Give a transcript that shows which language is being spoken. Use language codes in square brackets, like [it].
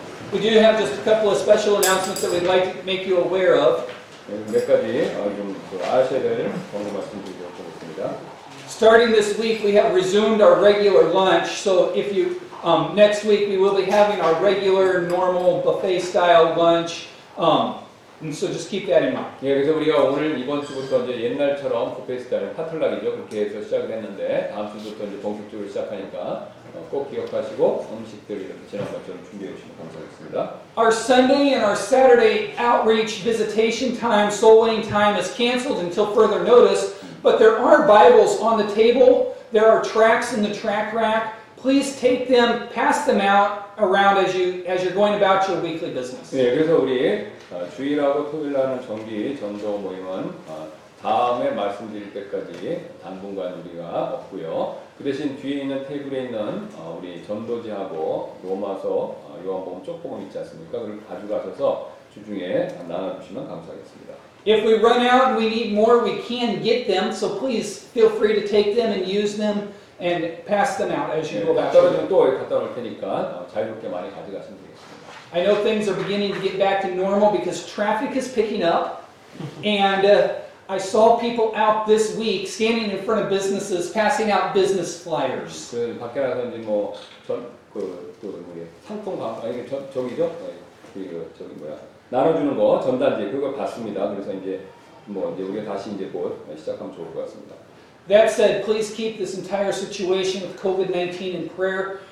[en] We do have just a couple of special announcements that we'd like to make you aware of. [ko] 몇 가지 좀 아셔야 될 그런 말씀 드리려고 합니다. [en] Starting this week, we have resumed our regular lunch. So if you next week we will be having our regular, normal buffet-style lunch. And so just keep that in mind. [ko] 예, 그래서 우리가 오늘 이번 주부터 이제 옛날처럼 부페스타일 파틀락이죠. 그렇게 해서 시작을 했는데 다음 주부터 이제 본격적으로 시작하니까 꼭 기억하시고 음식들 이렇게 지난번처럼 준비해 주시면 감사하겠습니다. [en] Our Sunday and our Saturday outreach visitation time, soul winning time is canceled until further notice. But there are Bibles on the table. There are tracts in the track rack. Please take them, pass them out around as you're going about your weekly business. [ko] 예, 그래서 우리 주일하고 토요일 하는 정기 전도 모임은 다음에 말씀드릴 때까지 당분간 우리가 없고요. 그 대신 뒤에 있는 테이블에 있는 우리 전도지하고 로마서 요한복음 쪽복음 있지 않습니까? 그걸 가져가셔서 주중에 나눠주시면 감사하겠습니다. [en] If we run out and we need more, we can get them. So please feel free to take them and use them and pass them out as you go back. [ko] 떨어지면 또 갖다 놓을 테니까 자유롭게 많이 가져가시면 되겠습니다. [en] I know things are beginning to get back to normal because traffic is picking up, and I saw people out this week standing in front of businesses passing out business flyers. [ko] 그 밖에 나가는지 뭐 전 그 또 뭐야 상품 광 아니 저 저기죠 그 저기 뭐야 나눠주는 거 전단지 그걸 봤습니다. 그래서 이제 뭐 이제 우리가 다시 이제 곧 시작하면 좋을 것 같습니다. [en] That said, please keep this entire situation with COVID-19 in prayer.